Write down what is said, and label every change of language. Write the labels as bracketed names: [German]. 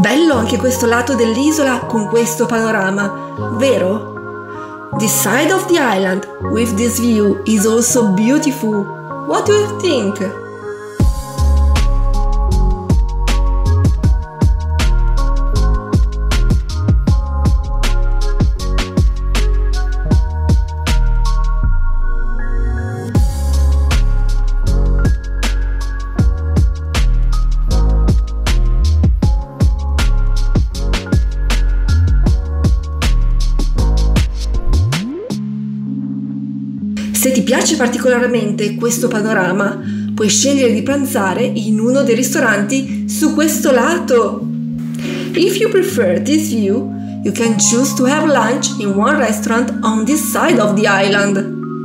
[Italian] Anche questo lato dell'isola con questo panorama, vero? [English] This side of the island with this view is also beautiful. What do you think? [Italian] Piace particolarmente questo panorama, puoi scegliere di pranzare in uno dei ristoranti su questo lato. [English] If you prefer this view, you can choose to have lunch in one restaurant on this side of the island.